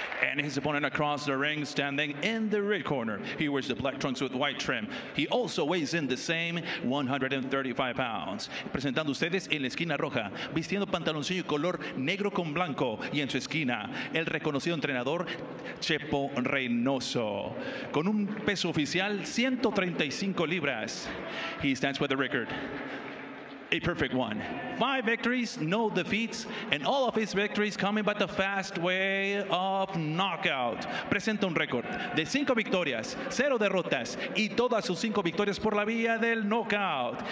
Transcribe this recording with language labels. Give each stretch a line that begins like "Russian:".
English: and his opponent across the ring, standing in the red corner. He wears the black trunks with white trim. He also weighs in the same 135 pounds.
Spanish: Presentando ustedes en la esquina roja, vistiendo pantaloncillo color negro con blanco, y en su esquina, el reconocido entrenador Chepo Reynoso. Con un peso oficial, 135 libras.
English: He stands with the record. A perfect one. 5 victories, no defeats, and all of his victories coming by the fast way of knockout.
Spanish: Presenta un récord de 5 victorias, 0 derrotas, y todas sus 5 victorias por la vía del knockout.